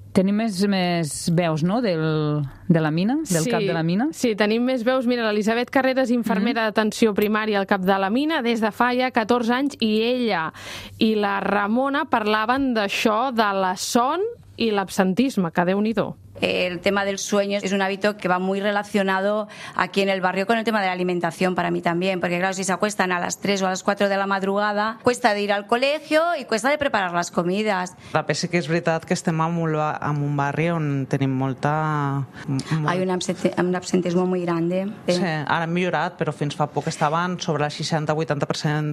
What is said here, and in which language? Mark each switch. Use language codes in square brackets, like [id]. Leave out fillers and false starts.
[ca] Tenim més veus, no?, de la mina, del cap de la mina. Sí, tenim més veus. Mira, l'Elisabet Carreras, infermera d'atenció primària al cap de la mina, des de fa ja 14 anys, i ella i la Ramona parlaven d'això, de la son i l'absentisme, que déu-n'hi-do. [es] El tema del sueño es un hábito que va muy relacionado aquí en el barrio con el tema de la alimentación, para mí también, porque claro, si se acuestan a las 3 o a las 4 de la madrugada, cuesta de ir al colegio y cuesta de preparar las comidas. [ca] També sí que és veritat que estem en un barri on tenim molta... [es] Hay un absentismo muy grande. [ca] Sí, ara hem millorat, però fins fa poc estaven sobre el 60-80%